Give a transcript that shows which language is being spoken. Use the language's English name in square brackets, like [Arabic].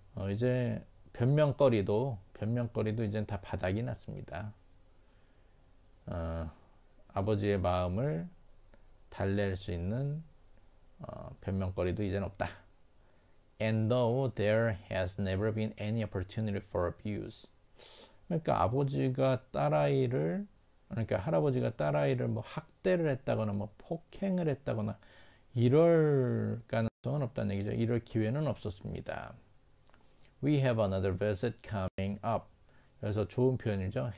[Korean] 이제 변명거리도 이제 다 바닥이 났습니다. 아버지의 마음을 달랠 수 있는 변명거리도 이제 없다. [English] And though there has never been any opportunity for abuse. [Korean] 그러니까 할아버지가 딸아이를 뭐 학대를 했다거나 뭐 폭행을 했다거나 이럴 가능성은 없다는 얘기죠. 이럴 기회는 없었습니다. [English] We have another visit coming up. [Korean] 여기서 좋은 표현이죠.